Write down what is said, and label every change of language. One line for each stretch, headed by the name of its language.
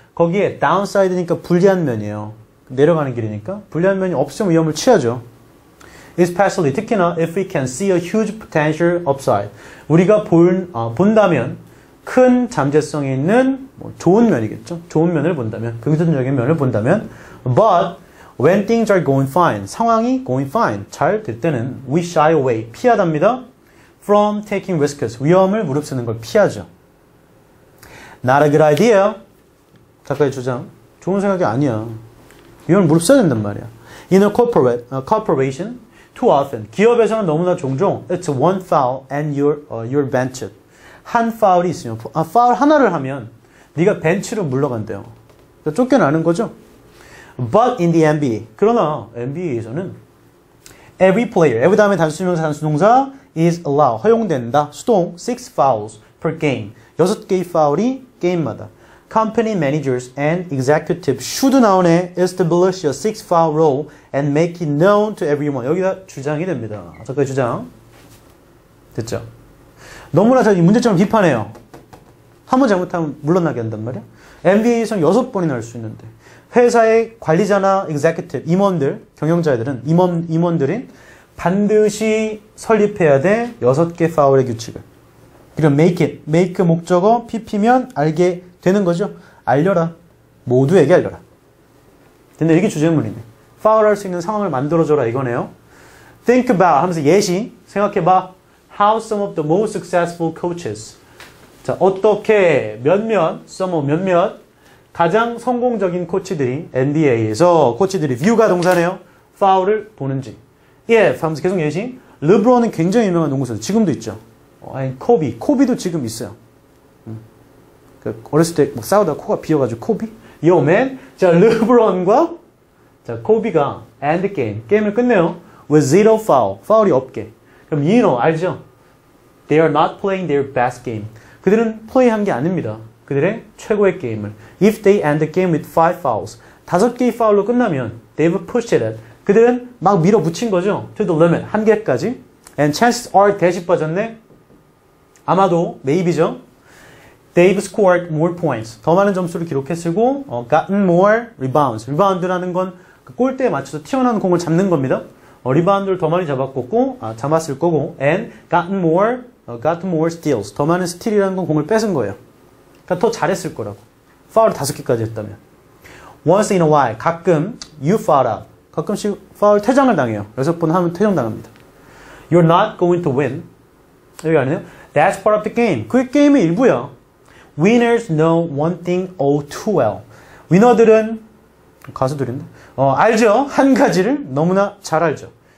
Korean: 거기에 downside니까 불리한 면이에요. 내려가는 길이니까. 불리한 면이 없으면 위험을 취하죠.
English: Especially,
Korean: 특히나
English: if we can see a huge potential upside.
Korean: 우리가 본다면 큰 잠재성이 있는 뭐 좋은 면이겠죠. 좋은 면을 본다면, 긍정적인 면을 본다면.
English: But, when things are going fine,
Korean: 상황이
English: going fine,
Korean: 잘 될 때는
English: we shy away,
Korean: 피하답니다.
English: From taking risks,
Korean: 위험을 무릅쓰는 걸 피하죠.
English: Not a good idea.
Korean: 작가의 주장, 좋은 생각이 아니야. 위험을 무릅써야 된단 말이야.
English: In a corporation, too often,
Korean: 기업에서는 너무나 종종,
English: it's one foul and you're benched.
Korean: 한 파울이 있으면, 파울 하나를 하면 네가 벤치로 물러간대요. 그러니까 쫓겨나는 거죠.
English: But in the NBA,
Korean: 그러나 NBA에서는
English: every player, every
Korean: 다음에 단수명사, 단수동사
English: is allowed,
Korean: 허용된다. 수동,
English: 6 fouls per game.
Korean: 6개의 파울이 게임마다.
English: Company managers and executives should
Korean: 나오네,
English: establish a 6 foul rule and make it known to everyone.
Korean: 여기가 주장이 됩니다. 잠깐 주장. 됐죠? 너무나 잘 이 문제처럼 비판해요. 한 번 잘못하면 물러나게 한단 말이야. NBA에서는 여섯 번이나 할 수 있는데. 회사의 관리자나 executive, 임원들, 경영자들은 임원들인 반드시 설립해야 돼 여섯 개 파울의 규칙을. 그럼 make it, make 목적어, PP면 알게 되는 거죠. 알려라. 모두에게 알려라. 근데 이게 주제문이네. 파울 할 수 있는 상황을 만들어줘라 이거네요.
English: Think about
Korean: 하면서 예시, 생각해봐.
English: How some of the most successful coaches.
Korean: 자, 어떻게 몇몇, some of 몇몇 가장 성공적인 코치들이 NBA에서 코치들이 뷰가 동사네요. 파울을 보는지. 예, 하면서 계속 예시. 르브론은 굉장히 유명한 농구선수. 지금도 있죠. 코비도 지금 있어요. 어렸을 때 막 싸우다가 코가 비어가지고 코비?
English: Yo, man.
Korean: 자, 르브론과 자 코비가 엔드 게임. 게임을 끝내요.
English: With zero foul.
Korean: 파울이 없게. 그럼
English: you know,
Korean: 알죠?
English: They are not playing their best game.
Korean: 그들은 플레이한 게 아닙니다. 그들의 최고의 게임을.
English: If they end the game with 5 fouls.
Korean: 5개의 파울로 끝나면
English: they've pushed it.
Korean: 그들은 막 밀어붙인 거죠.
English: To the limit.
Korean: 한계까지.
English: And chances are
Korean: 대시 빠졌네. 아마도
English: maybe
Korean: 죠.
English: They've scored more points.
Korean: 더 많은 점수를 기록했고
English: gotten more rebounds.
Korean: 리바운드라는 건 그 골대에 맞춰서 튀어나온 공을 잡는 겁니다. 리바운드를 더 많이 잡았을 거고
English: and gotten more steals.
Korean: 더 많은 스틸이라는 건 공을 뺏은 거예요. 그러니까 더 잘했을 거라고. 파울을 5개까지 했다면.
English: Once in a while,
Korean: 가끔
English: you foul out.
Korean: 가끔씩 파울 퇴장을 당해요. 6번 하면 퇴장당합니다.
English: You're not going to win.
Korean: 여기 아니네요.
English: That's part of the game.
Korean: 그게 게임의 일부야.
English: Winners know one thing all too well.
Korean: 위너들은 가수들인데 알죠? 한 가지를 너무나 잘 알죠.